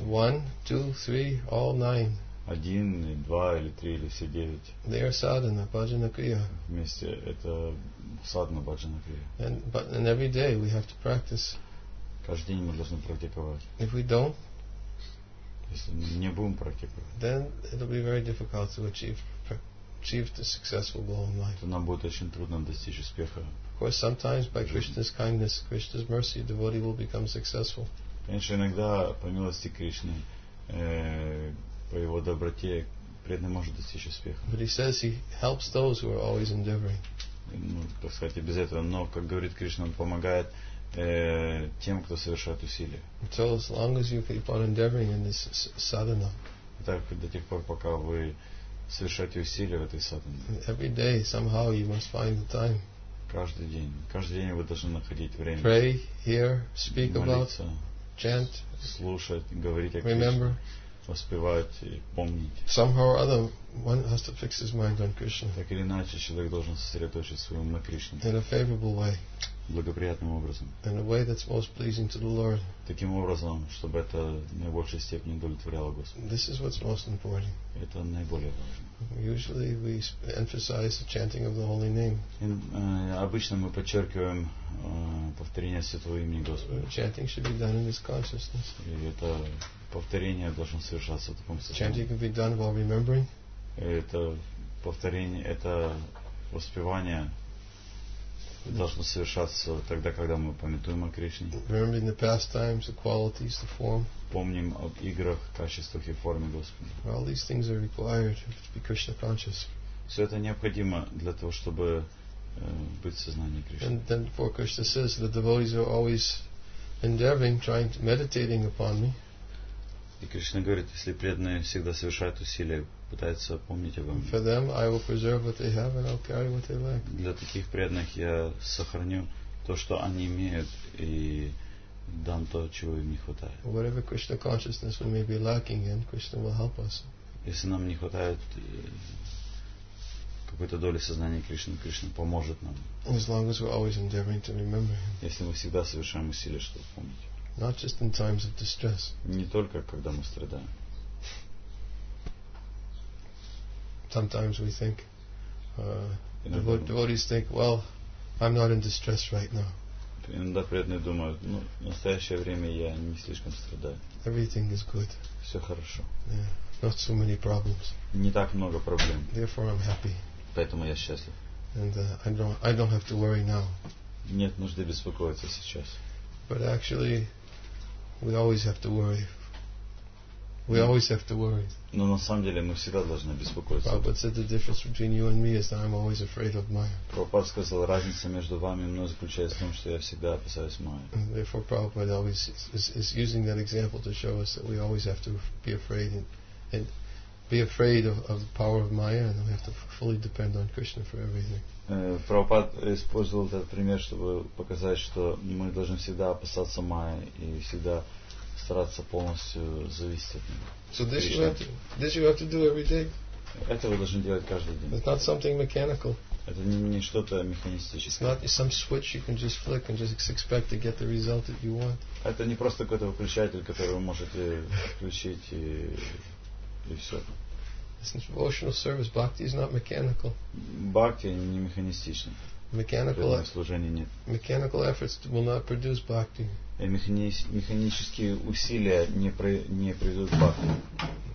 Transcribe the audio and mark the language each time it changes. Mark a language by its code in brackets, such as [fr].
[en] One, two, three, all nine. [ru] Один, два, или три, или все девять. [en] They are sadhana, bhajana kriya. [ru] Вместе это садхана, bhajana kriya. [en] And every day we have to practice. [ru] Каждый день мы должны практиковать. [en] If we don't, [ru] если мы не будем практиковать, [en] then it'll be very difficult to achieve the successful goal in life. [ru] То нам будет очень трудно достичь успеха. [en] Of course, sometimes by Krishna's kindness, Krishna's mercy, a devotee will become successful. [ru] Конечно, иногда по милости Кришны, по его доброте, преданный может достичь успеха. [en] But he says he helps those who are always endeavoring. [ru] Ну, так сказать, и без этого. Но, как говорит Кришна, он помогает тем, кто совершает усилия. [en] So as long as you keep on endeavoring in this sadhana. [ru] Так, до тех пор, пока вы совершаете усилия в этой садхане. [en] Every day, somehow you must find the time. [ru] Каждый день. Каждый день вы должны находить время. [en] Pray, hear, speak [ru] молиться, [en] about, chant, [ru] слушать, говорить о Кришне. [en] Remember. [ru] Воспевать и помнить. [en] Somehow or other, one has to fix his mind on Krishna. [ru] Так или иначе, человек должен сосредоточить свой ум на Кришне. [en] In a favorable way. [ru] Благоприятным образом. [en] In a way that's most pleasing to the Lord. [ru] Таким образом, чтобы это наибольшей степени удовлетворяло Господа. [en] This is what's most important. [ru] Это наиболее важно. [en] Usually we emphasize the chanting of the holy name. [ru] Обычно мы подчеркиваем повторение святого имени Господа. [en] Chanting should be done in this consciousness. [ru] И это повторение должно совершаться в таком состоянии. [en] Chanting can be done while remembering. [ru] Это повторение, это воспевание должно совершаться тогда, когда мы памятуем о Кришне. [en] Remembering the past times, the qualities, the form. [ru] Помним об играх, качествах и форме Господа. [en] All these things are required to be Krishna conscious. [ru] Все это необходимо для того, чтобы быть в сознании Кришны. [en] And then for Krishna says the devotees are always endeavoring, trying to meditating upon me. [ru] И Кришна говорит, если преданные всегда совершают усилия, пытаются помнить обо мне. [en] For them, I will preserve what they have and I'll carry what they lack. [ru] Для таких преданных я сохраню то, что они имеют, и дам то, чего им не хватает. [en] Whatever Krishna consciousness we may be lacking in, Krishna will help us. [ru] Если нам не хватает какой-то доли сознания Кришны, Кришна поможет нам. [en] As long as we're always endeavoring to remember Him. [ru] Если мы всегда совершаем усилия, чтобы помнить. [en] Not just in times of distress. [ru] Не только когда мы страдаем. [en] Sometimes we think, devotees think, well, I'm not in distress right now. [ru] Иногда преданные думают, ну, в настоящее время я не слишком страдаю. [en] Everything is good. [ru] Все хорошо. [en] Yeah. Not so many problems. [ru] Не так много проблем. [en] Therefore I'm happy. [ru] Поэтому я счастлив. [en] And I don't have to worry now. [ru] Нет нужды беспокоиться сейчас. [en] But actually, we always have to worry. We always have to worry. [ru] Но на самом деле мы всегда должны беспокоиться. [en] Prabhupada said the difference between you and me is that I'm always afraid of Maya. [ru] Prabhupada сказал, разница между вами и мной заключается в том, что я всегда опасаюсь Майи. [en] Therefore, Prabhupada always is using that example to show us that we always have to be afraid and be afraid of the power of Maya, and we have to fully depend on Krishna for everything. [ru] Прабхупад использовал этот пример, чтобы показать, что мы должны всегда опасаться Майи и всегда стараться полностью зависеть от него. [en] So this you have to do every day? [ru] Это вы должны делать каждый день. [en] It's not something mechanical. [ru] Это не что-то механистическое. [en] It's not some switch you can just flick and just expect to get the result that you want. [ru] Это не просто какой-то выключатель, который вы можете включить и все. [en] It's an emotional service. Bhakti is not mechanical. [ru] Бхакти не механистичный. [en] Mechanical efforts will not produce bhakti. [ru] Механические усилия не приведут бхакти.